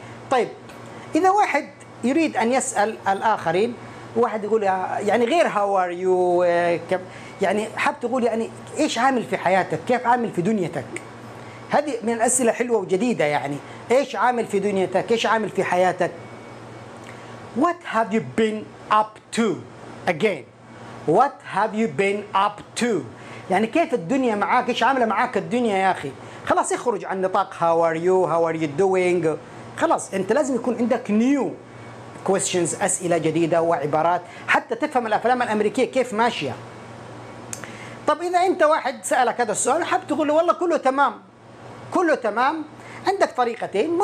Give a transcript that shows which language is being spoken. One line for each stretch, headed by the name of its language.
Arabic: طيب اذا واحد يريد ان يسأل الاخرين, واحد يقول يعني غير
English: how are you,
Arabic: يعني حاب تقول يعني ايش عامل في حياتك, كيف عامل في دنيتك, هذه من الأسئلة حلوة وجديدة, يعني ايش عامل في دنيتك, ايش عامل في حياتك.
English: What have you been up to, again what have you been up to,
Arabic: يعني كيف الدنيا معاك, ايش عامل معاك الدنيا يا اخي. خلاص يخرج عن نطاق
English: how are you, how are you doing,
Arabic: خلاص انت لازم يكون عندك
English: new questions,
Arabic: أسئلة جديدة وعبارات حتى تفهم الأفلام الأمريكية كيف ماشية. طب إذا أنت واحد سألك هذا السؤال حاب تقول له والله كله تمام, كله تمام, عندك طريقتين.